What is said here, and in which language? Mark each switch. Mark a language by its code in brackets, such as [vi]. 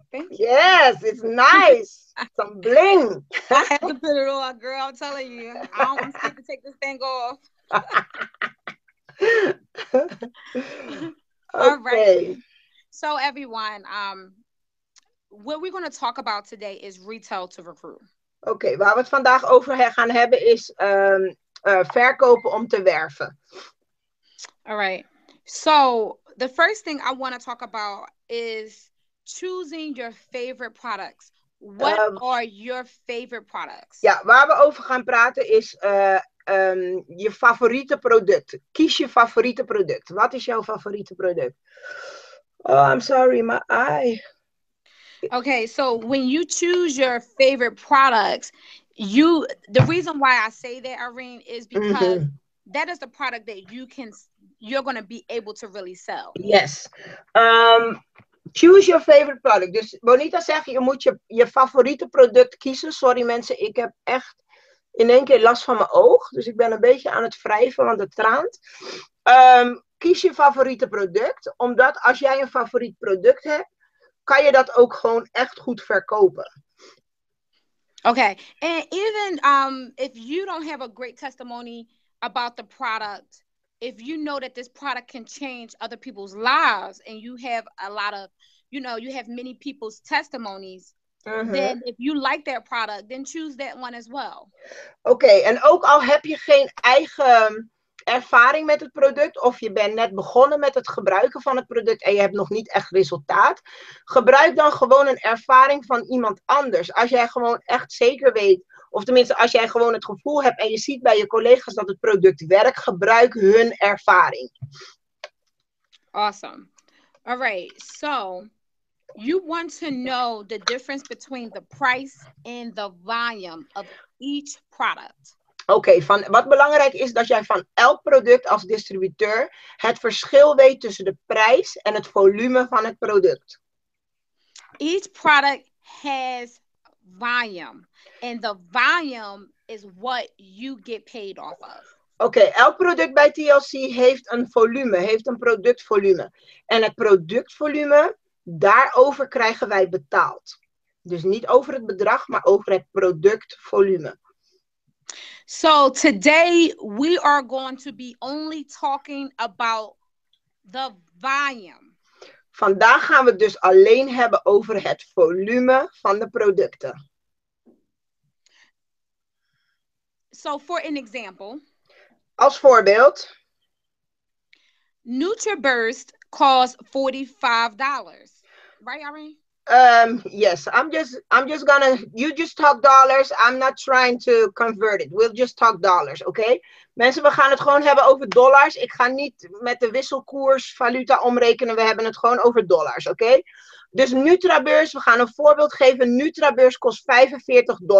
[en] Yes, it's nice. Some bling. I have to put it on, girl. I'm telling you. I don't want to take this thing off. Okay. All right. So, everyone, what we're going to talk about today is retail to recruit. [nl] Okay, waar we het vandaag over gaan hebben is verkopen om te werven. [en] All right. So, the first thing I want to talk about is choosing your favorite products. What are your favorite products? [nl] Ja, waar we over gaan praten is je favoriete product. Kies je favoriete product. Wat is jouw favoriete product? [en] Oh, I'm sorry, my eye. Okay, so when you choose your favorite products, you, the reason why I say that, Irene, is because that is the product that you can, you're going to be able to really sell. Yes. Choose your favorite product. [nl] Dus Bonita zegt, je moet je favoriete product kiezen. Sorry mensen, ik heb echt in één keer last van mijn oog. Dus ik ben een beetje aan het wrijven, want het traant. Kies je favoriete product, omdat als jij een favoriet product hebt, kan je dat ook gewoon echt goed verkopen. [en] Okay, and even if you don't have a great testimony about the product, if you know that this product can change other people's lives and you have a lot of, you know, you have many people's testimonies, then if you like that product, then choose that one as well. [nl] Okay, en ook al heb je geen eigen ervaring met het product of je bent net begonnen met het gebruiken van het product en je hebt nog niet echt resultaat, gebruik dan gewoon een ervaring van iemand anders. Als jij gewoon echt zeker weet, of tenminste als jij gewoon het gevoel hebt en je ziet bij je collega's dat het product werkt, gebruik hun ervaring. [en] Awesome. All right, so you want to know the difference between the price and the volume of each product. [nl] Okay, van wat belangrijk is dat jij van elk product als distributeur het verschil weet tussen de prijs en het volume van het product. [en] Each product has volume, and the volume is what you get paid off of. [nl] Okay, elk product bij TLC heeft een volume, heeft een productvolume. En het productvolume, daarover krijgen wij betaald. Dus niet over het bedrag, maar over het productvolume. [en] So today we are going to be only talking about the volume. [nl] Vandaag gaan we het dus alleen hebben over het volume van de producten. [en] So for an example. [nl] Als voorbeeld. [en] NutriBurst costs $45. Right, Irene? Yes, I'm just gonna, you just talk dollars, I'm not trying to convert it, we'll just talk dollars, okay? [nl] Mensen, we gaan het gewoon hebben over dollars, ik ga niet met de wisselkoers valuta omrekenen, we hebben het gewoon over dollars, okay? Dus NutriBurst, we gaan een voorbeeld geven, NutriBurst kost $45.